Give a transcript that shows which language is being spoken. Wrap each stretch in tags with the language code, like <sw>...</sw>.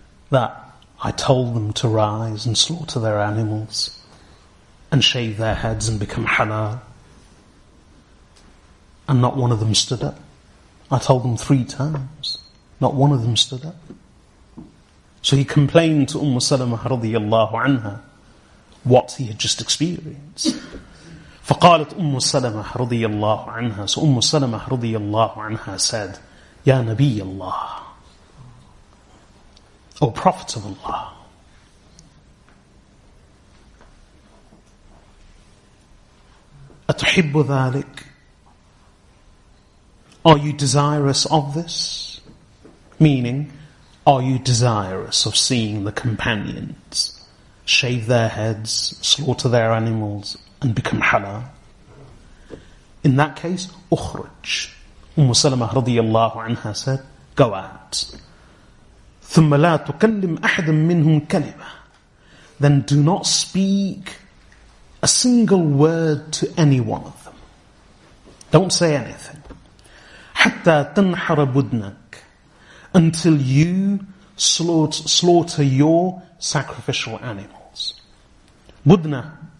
<en>that I told them to rise and slaughter their animals and shave their heads and become halal. And not one of them stood up. I told them three times. Not one of them stood up. So he complained to Umm Salama radiallahu anha what he had just experienced.</en> <ar>فقالت أم سلمة رضي الله عنها</ar> <en>So</en> <ar>أم سلمة رضي الله عنها</ar> <en>said</en> <ar>يا نبي الله</ar> <en>O Prophet of Allah</en> <ar>أتحب ذلك</ar> <en>Are you desirous of this? Meaning, are you desirous of seeing the companions shave their heads, slaughter their animals, and become halal? In that case,</en> <ar>أخرج.</ar> <en>أم سلمة رضي الله عنها said, go out.</en> <ar>ثم لا تكلم أحد منهم كلمة.</ar> <en>Then do not speak a single word to any one of them. Don't say anything.</en> <ar>حتى تنحر بدنك.</ar> <en>Until you slaughter your sacrificial animals. بدنة.</en>